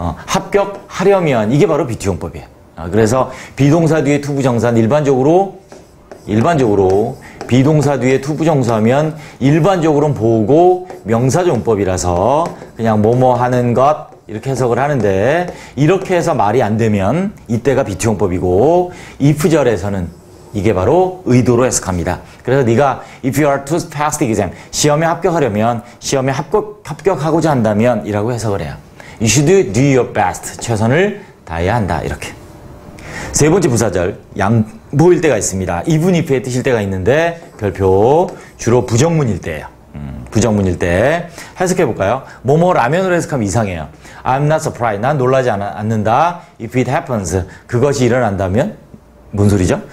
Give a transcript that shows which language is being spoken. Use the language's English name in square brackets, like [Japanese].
[Korean] 합격하려면, 이게 바로 B2형법이에요. 그래서 비동사 뒤에 투부정사는 일반적으로 비동사 뒤에 투부정사하면 일반적으로 보고 명사정법이라서 그냥 뭐뭐 하는 것 이렇게 해석을 하는데, 이렇게 해서 말이 안 되면 이때가 비투형법이고 if절에서는 이게 바로 의도로 해석합니다. 그래서 네가 [English] if you are to pass the exam, [Korean] 시험에 합격하려면, 시험에 합격하고자 한다면 이라고 해석을 해요. [English] You should do your best, [Korean] 최선을 다해야 한다, 이렇게. 세 번째 부사절, 양보일 때가 있습니다. even if의 뜻일 때가 있는데, 별표, 주로 부정문일 때예요. 부정문일 때. 해석해볼까요? 뭐뭐 라면으로 해석하면 이상해요. [English] I'm not surprised. [Korean] 난 놀라지 않는다. [English] If it happens. [Korean] 그것이 일어난다면? 뭔 소리죠?